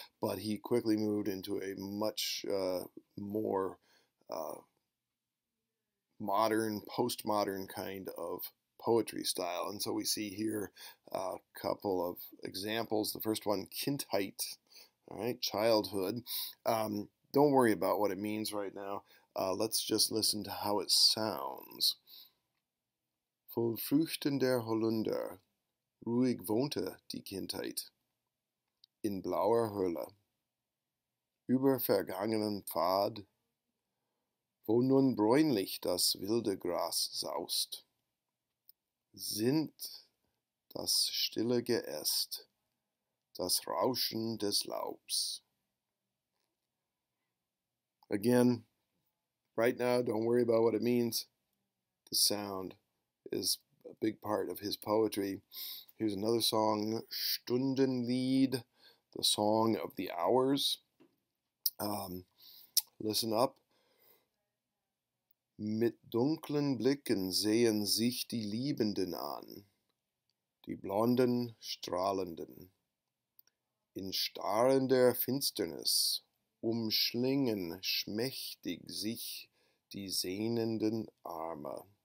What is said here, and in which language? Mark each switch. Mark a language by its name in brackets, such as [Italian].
[English] But he quickly moved into a much more modern, postmodern kind of poetry style. And so we see here a couple of examples. The first one, Kindheit, all right, childhood. Don't worry about what it means right now. Let's just listen to how it sounds. [German] Von Früchten der Holunder ruhig wohnte die Kindheit in blauer Hölle. Über vergangenen Pfad, wo nun bräunlich das wilde Gras saust, sinnt das stille Geäst, das Rauschen des Laubs. [English] Again, right now, don't worry about what it means. The sound is a big part of his poetry. Here's another song, Stundenlied, the song of the hours. Listen up. [German] Mit dunklen Blicken sehen sich die Liebenden an, die blonden Strahlenden. In starrender Finsternis umschlingen schmächtig sich die sehnenden Arme.